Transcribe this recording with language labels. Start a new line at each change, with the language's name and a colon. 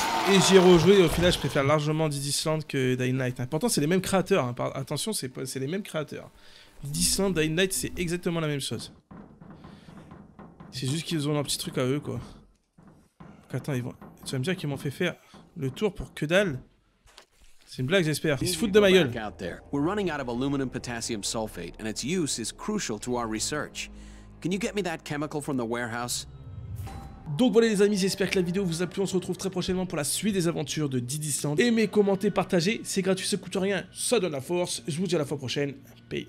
French: Et j'y ai rejoué. Au final, je préfère largement Dead Island que Dying Light. Pourtant, c'est les mêmes créateurs. Hein. Attention, c'est les mêmes créateurs. Dissant, Dying Light, c'est exactement la même chose. C'est juste qu'ils ont leur petit truc à eux, quoi. Donc, attends, tu vas me dire qu'ils m'ont fait faire le tour pour que dalle? C'est une blague, j'espère. Ils se foutent de ma gueule.
English: Out there. We're running out of aluminum potassium sulfate, and its use is crucial to our research. Can you get me that chemical from the warehouse?
French: Donc voilà les amis, j'espère que la vidéo vous a plu. On se retrouve très prochainement pour la suite des aventures de Dead Island. Aimez, commentez, partagez, c'est gratuit, ça coûte rien. Ça donne la force. Je vous dis à la fois prochaine. Peace.